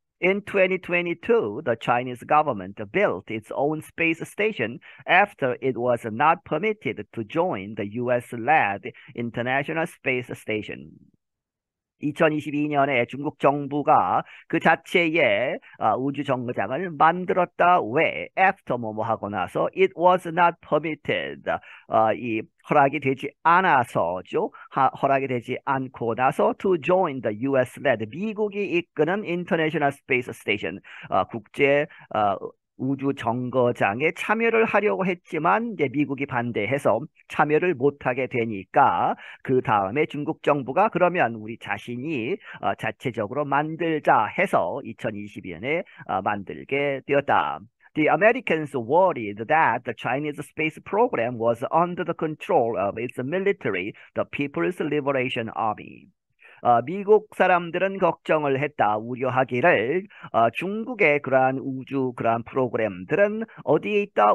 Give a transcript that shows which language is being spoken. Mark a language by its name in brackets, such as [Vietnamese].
[English] In 2022, the Chinese government built its own space station after it was not permitted to join the US-led International Space Station. [Korean] 2022년에 중국 정부가 그 자체의 우주 정거장을 만들었다. 왜? [English] After [Korean] 뭐뭐 하고 나서 [English] it was not permitted. [Korean] 이 허락이 되지 않아서죠. 허락이 되지 않고 나서 [English] to join the US-led, [Korean] 미국이 이끄는 [English] International Space Station, [Korean] 국제 우주 정거장에 참여를 하려고 했지만, 이제 미국이 반대해서 참여를 못하게 되니까, 그 다음에 중국 정부가, 그러면 우리 자신이 자체적으로 만들자 해서 2022년에 만들게 되었다. [English] The Americans worried that the Chinese space program was under the control of its military, the People's Liberation Army. [Korean] 미국 사람들은 걱정을 했다, 우려하기를, 중국의 그러한 우주 그러한 프로그램들은 어디에 있다?